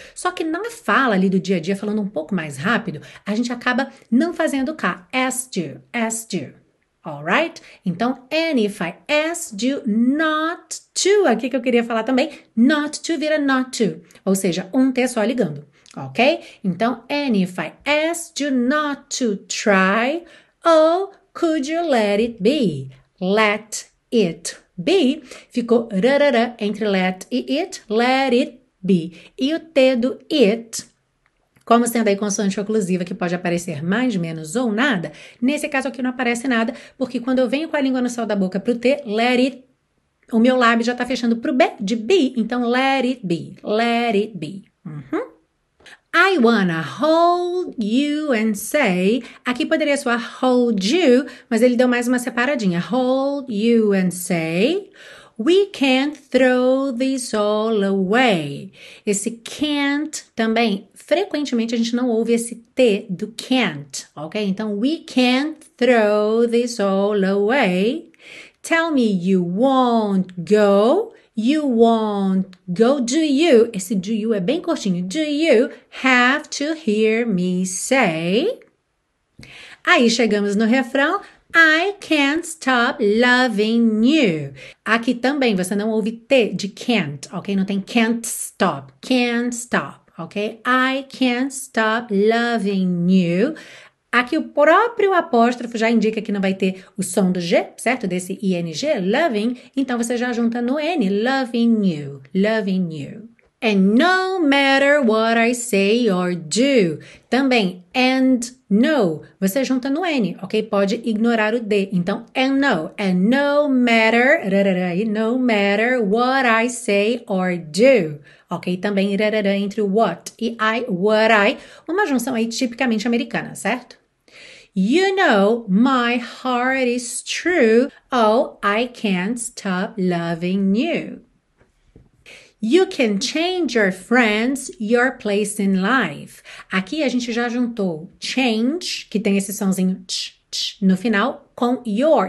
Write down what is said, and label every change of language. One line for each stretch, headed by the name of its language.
Portuguese: Só que na fala ali do dia a dia, falando um pouco mais rápido, a gente acaba não fazendo K.
English: Asked you. Asked you. Alright? Então, and if I asked you not to,
Portuguese: aqui que eu queria falar também,
English: not to
Portuguese: vira
English: not to.
Portuguese: Ou seja, um T só ligando. Ok?
English: Então, and if I asked you not to try, oh, could you let it be? Let it be.
Portuguese: B ficou rarara entre
English: let e it, let it be.
Portuguese: E o T do it, como sendo aí consoante oclusiva que pode aparecer mais, menos ou nada, nesse caso aqui não aparece nada, porque quando eu venho com a língua no céu da boca pro T, let it, o meu lábio já tá fechando pro B de be, então
English: let it be, let it be. Uhum. I wanna hold you and say,
Portuguese: aqui poderia soar
English: hold you,
Portuguese: mas ele deu mais uma separadinha,
English: hold you and say, we can't throw this all away.
Portuguese: Esse can't também, frequentemente a gente não ouve esse T do can't, ok?
English: Então, we can't throw this all away. Tell me you won't go. You won't go, do you?
Portuguese: Esse do you é bem curtinho.
English: Do you have to hear me say?
Portuguese: Aí chegamos no refrão.
English: I can't stop loving you.
Portuguese: Aqui também você não ouve T de can't, ok? Não tem can't stop.
English: Can't stop, ok? I can't stop loving you.
Portuguese: Aqui o próprio apóstrofo já indica que não vai ter o som do G, certo? Desse ING, loving. Então, você já junta no N,
English: loving you, loving you. And no matter what I say or do.
Portuguese: Também, and no, você junta no N, ok? Pode ignorar o D.
English: Então, and no matter, rarara, no matter what I say or do.
Portuguese: Ok, também, rarara, entre what e I, what I. Uma junção aí tipicamente americana, certo?
English: You know, my heart is true. Oh, I can't stop loving you. You can change your friends, your place in life.
Portuguese: Aqui a gente já juntou change, que tem esse sonzinho tch, tch, no final, com your.